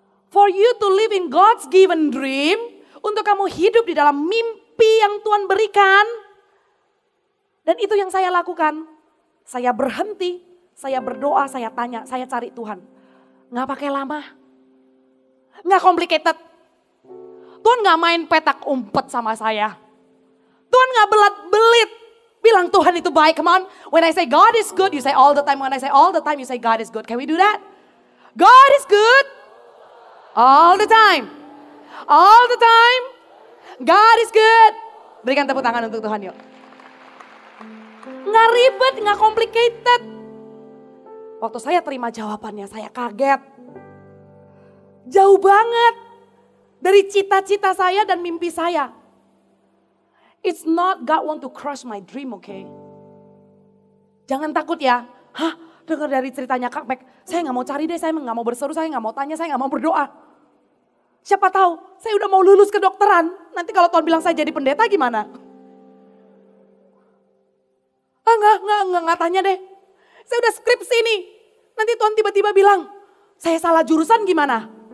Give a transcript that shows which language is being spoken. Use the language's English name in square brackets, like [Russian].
[English] For you to live in God's given dream. [Indonesian] Untuk kamu hidup di dalam mimpi yang Tuhan berikan. Dan itu yang saya lakukan. Saya berhenti. Saya berdoa. Saya tanya. Saya cari Tuhan. Gak pakai lama. Gak complicated. Tuhan gak main petak umpet sama saya. Tuhan gak belat-belit. Bilang Tuhan itu baik. [English] Come on. When I say God is good. You say all the time. When I say all the time. You say God is good. Can we do that? God is good all the time. All the time. God is good. [Indonesian] Berikan tepuk tangan untuk Tuhan yuk. Nggak ribet, nggak complicated. Waktu saya terima jawabannya, saya kaget. Jauh banget dari cita-cita saya dan mimpi saya. [English] It's not God want to crush my dream, okay? [Indonesian] Jangan takut ya. [English] Hah, [Indonesian] dengar dari ceritanya Kak Mac, saya gak mau cari deh, saya gak mau berseru, saya gak mau tanya, saya gak mau berdoa. Siapa tahu, saya udah mau lulus kedokteran, nanti kalau Tuhan bilang saya jadi pendeta gimana? Enggak tanya deh. Saya udah skripsi nih, nanti Tuhan tiba-tiba bilang, saya salah jurusan gimana?